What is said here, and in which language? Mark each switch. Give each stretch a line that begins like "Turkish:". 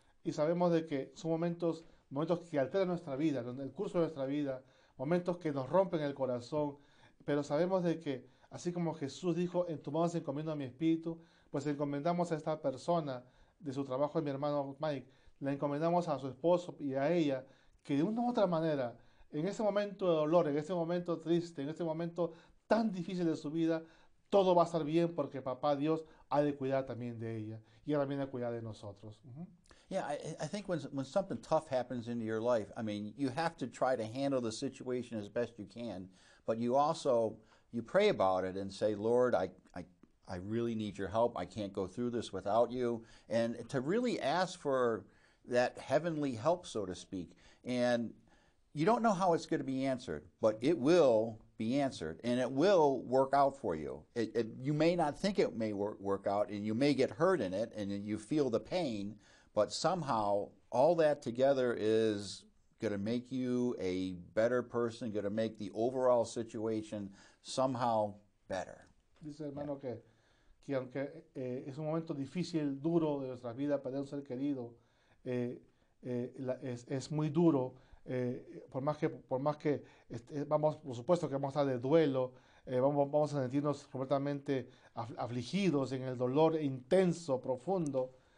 Spanish: Y sabemos de que son momentos que alteran nuestra vida, el curso de nuestra vida, momentos que nos rompen el corazón, pero sabemos de que, así como Jesús dijo, en tu mano se encomiendo a mi espíritu, pues encomendamos a esta persona de su trabajo, de mi hermano Mike, la encomendamos a su esposo y a ella, que de una u otra manera, en ese momento de dolor, en ese momento triste, en ese momento tan difícil de su vida, todo va a estar bien porque papá Dios ha de cuidar también de ella y él también ha de cuidar de nosotros.
English: Yeah, I think when something tough happens into your life, I mean, you have to try to handle the situation as best you can, but you also, you pray about it and say, Lord, I really need your help. I can't go through this without you. And to really ask for that heavenly help, so to speak. And you don't know how it's going to be answered, but it will be answered, and it will work out for you. You may not think it may work out, and you may get hurt in it, and you feel the pain, but somehow, all that together is going to make you a better person, going to make the overall situation somehow better.
Spanish: Dice, hermano,
English: yeah.
Spanish: que aunque es un momento difícil, duro de nuestra vida, perder un ser querido, es muy duro, Por más que vamos, por supuesto que vamos a estar de duelo, vamos a sentirnos completamente afligidos en el dolor intenso, profundo.